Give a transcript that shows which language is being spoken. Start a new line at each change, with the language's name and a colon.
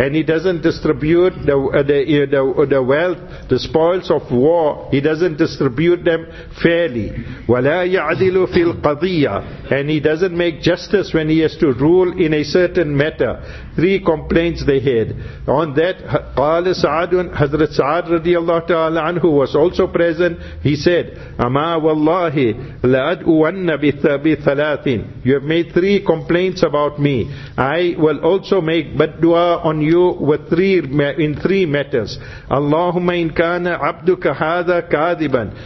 English: And he doesn't distribute the wealth, the spoils of war, he doesn't distribute them fairly.
Arabic: وَلَا يَعْدِلُ فِي الْقَضِيَّةِ.
English: And he doesn't make justice when he has to rule in a certain matter. Three complaints they had. On that,
Arabic: قَالَ سَعَدٌ.
English: Hazrat Sa'ad radiallahu ta'ala anhu was also present. He said,
Arabic: أَمَا وَاللَّهِ لَأَدْءُوَنَّ بِثَلَاثٍ.
English: You have made three complaints about me. I will also make baddua on you with three matters.
Arabic: اللهم إن كان عبدك هذا كاذبا.